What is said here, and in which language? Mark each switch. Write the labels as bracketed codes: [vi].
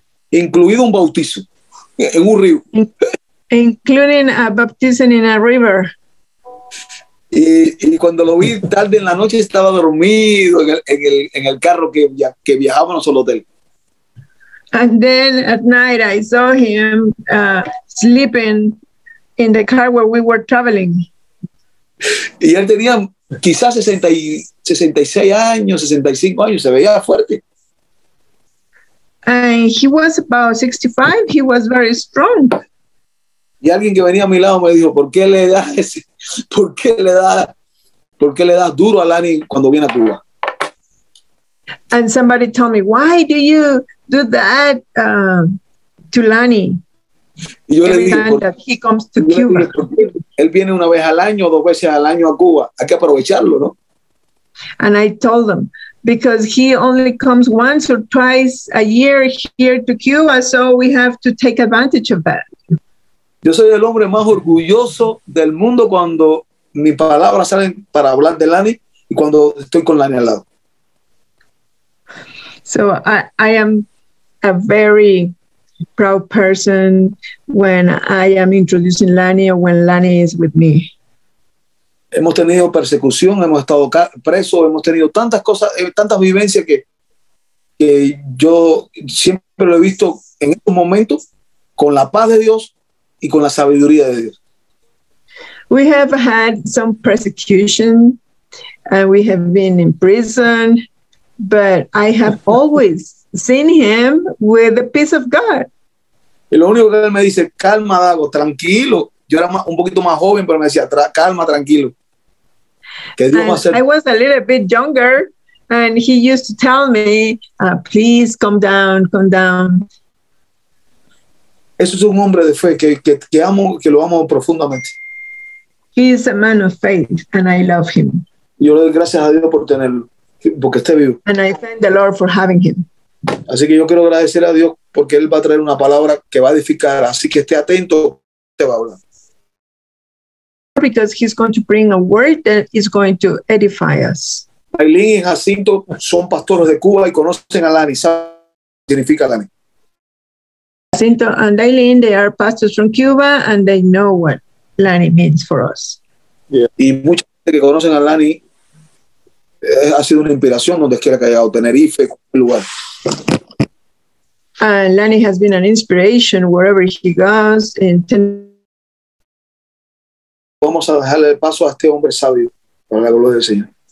[es] Incluido un bautizo en un río. [en] Including a baptism in a river. [es] Y cuando lo vi tarde en la noche estaba dormido en el carro que viajábamos al hotel. [en] And then at night I saw him sleeping in the car where we were traveling. [es] Y él tenía quizás 65 años, se veía fuerte. [en] And he was about 65, he was very strong. [es] Y alguien que venía a mi lado me dijo, ¿por qué le das ese? ¿Por qué le das duro a Lani cuando viene a Cuba? [en] And somebody told me, why do you do that to Lani? [es] Y yo le dije, [en] he comes to Cuba. [es] Él viene una vez al año, dos veces al año a Cuba. Hay que aprovecharlo, ¿no? [en] And I told them, because he only comes once or twice a year here to Cuba, so we have to take advantage of that. [es] Yo soy el hombre más orgulloso del mundo cuando mi palabra sale para hablar de Lani y cuando estoy con Lani al lado. [en] So I am a very proud person when I am introducing Lani or when Lani is with me. [es] Hemos tenido persecución, hemos estado preso, hemos tenido tantas cosas, tantas vivencias que yo siempre lo he visto en estos momentos con la paz de Dios y con la sabiduría de Dios. [en] We have had some persecution and we have been in prison, but I have always seen him with the peace of God. [es] Y lo único que él me dice, calma, Dago, tranquilo. Yo era un poquito más joven, pero me decía, calma, tranquilo. [en] I was a little bit younger, and he used to tell me, please calm down, calm down. [es] Eso es un hombre de fe que amo, que lo amo profundamente. [en] He is a man of faith, and I love him. [es] Yo le doy gracias a Dios por tenerlo, porque esté vivo. [en] And I thank the Lord for having him. [es] Así que yo quiero agradecer a Dios porque él va a traer una palabra que va a edificar. Así que esté atento, te va a hablar. [en] Because he's going to bring a word that is going to edify us. [es] Aileen y Jacinto son pastores de Cuba y conocen a Lani. ¿Saben qué significa Lani? [en] Jacinto and Aileen, they are pastors from Cuba and they know what Lani means for us. [es] Yeah. Y mucha gente que conocen a Lani ha sido una inspiración donde quiera que haya ido, Tenerife, cualquier lugar. [en] And Lani has been an inspiration wherever he goes in Tenerife. [es] Vamos a dejarle el paso a este hombre sabio para la gloria del Señor.